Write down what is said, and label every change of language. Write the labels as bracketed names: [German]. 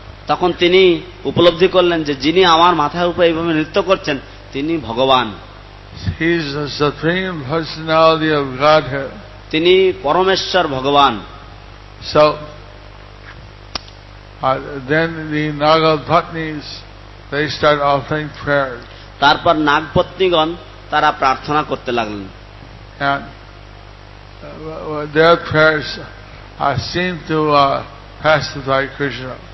[Bangla] তখন তিনি উপলব্ধি করলেন যে যিনি আমার মাথার উপরে এইভাবে নৃত্য করছেন তিনি ভগবান। [English] He is the supreme personality of Godhead. [Bangla] তিনি পরমেশ্বর ভগবান। [English] So then the Nagapatnis, they start offering prayers. [Bangla] তারপর নাগপত্নীগণ তারা প্রার্থনা করতে লাগলেন। [English] And their prayers seem to pacify Krishna.